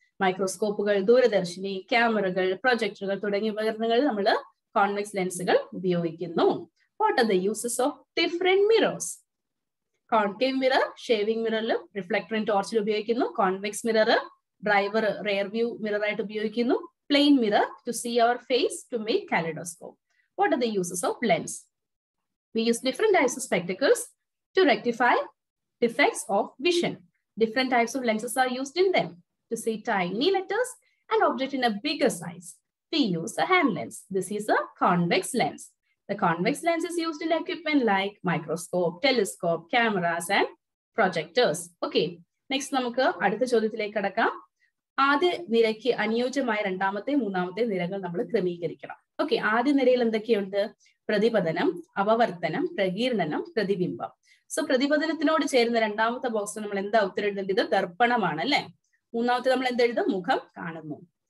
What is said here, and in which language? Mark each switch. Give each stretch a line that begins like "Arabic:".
Malayalam: മൈക്രോസ്കോപ്പുകൾ, ദൂരദർശിനി, ക്യാമറകൾ, പ്രൊജക്ടറുകൾ തുടങ്ങിയ ഉപകരണങ്ങളിൽ നമ്മൾ കോൺവെക്സ് ലെൻസുകൾ ഉപയോഗിക്കുന്നു.
English: What are the uses of different mirrors?
Malayalam: Concave mirror shaving മിററിലും റിഫ്ലക്ടറും ടോർച്ചിലും ഉപയോഗിക്കുന്നു. Convex mirror driver rear view മിററായിട്ട് ഉപയോഗിക്കുന്നു.
English: Plane mirror to see our face to make kaleidoscope. What are the uses of lens? We use different types of spectacles to rectify defects of vision. Different types of lenses are used in them to see tiny letters and object in a bigger size. We use a hand lens. This is a convex lens. The convex lens is used in equipment like microscope, telescope, cameras and projectors.
Malayalam: Okay, next നമുക്ക് അടുത്ത ചോദ്യത്തിലേക്ക് കടക്കാം. ആദ്യ നിരയ്ക്ക് അനുയോജ്യമായ രണ്ടാമത്തെ മൂന്നാമത്തെ നിരകൾ നമ്മൾ ക്രമീകരിക്കണം. ഓക്കെ, ആദ്യ നിരയിൽ എന്തൊക്കെയുണ്ട്? പ്രതിപതനം, അപവർത്തനം, പ്രകീർണനം, പ്രതിബിംബം. സോ പ്രതിപതനത്തിനോട് ചേരുന്ന രണ്ടാമത്തെ ബോക്സ് നമ്മൾ എന്താ ഉത്തരം എഴുതേണ്ടത്? ദർപ്പണമാണ് അല്ലെ. മൂന്നാമത്തെ നമ്മൾ എന്തെഴുതും? മുഖം കാണുന്നു.